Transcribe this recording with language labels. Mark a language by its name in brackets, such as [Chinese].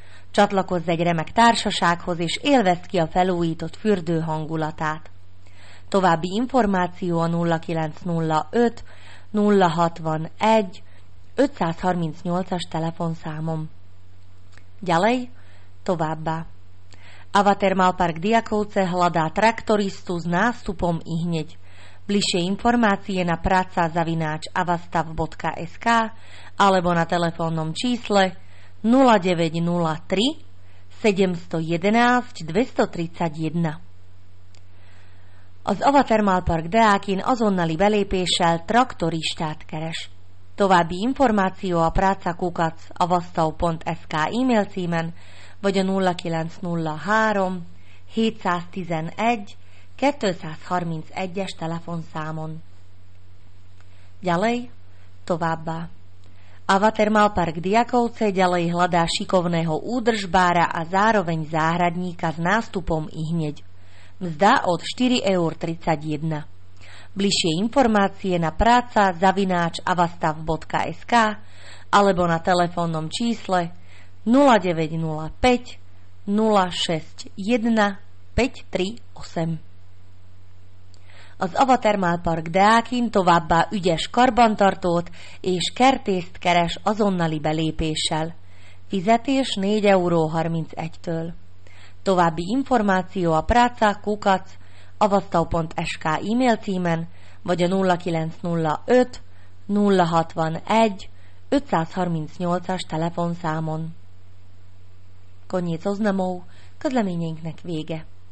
[Hungarian] Csatlakozz egy remek társasághoz és élvezd ki a felújított fürdő hangulatát. További információ a 0905 061 538-as telefonszámom. [Slovak] Gyalej, [Hungarian] továbbá. [Slovak] Avatermál park Diakovce hľadá traktoristu s nástupom i hneď. Bližšie informácie na praca@avastav.sk alebo na telefónnom čísle 0903 711 231. [Hungarian] Az Avatermál park Deákin azonnali belépéssel traktoristát keres. További információ a praca@avastav.sk e-mail címen vagy a 0903 711 231-es telefonszámon. [Slovak] Ďalej, [Hungarian] továbbá. [Slovak] Avatermál park Diakovce ďalej hľadá šikovného údržbára a zároveň záhradníka s nástupom i hneď. Mzda od 4,31 €. Bližšie informácie na praca@avastav.sk alebo na telefónnom čísle 0905 061 538. [Hungarian] Az Avatermál park Deákin továbbá ügyes karbantartót és kertészt keres azonnali belépéssel. Fizetés 4,31 €. További információ a praca@avastav.sk e-mail címen vagy a 0905 061 538-as telefonszámon. [Slovak] Koniec oznamov, [Hungarian] közleményeinknek vége.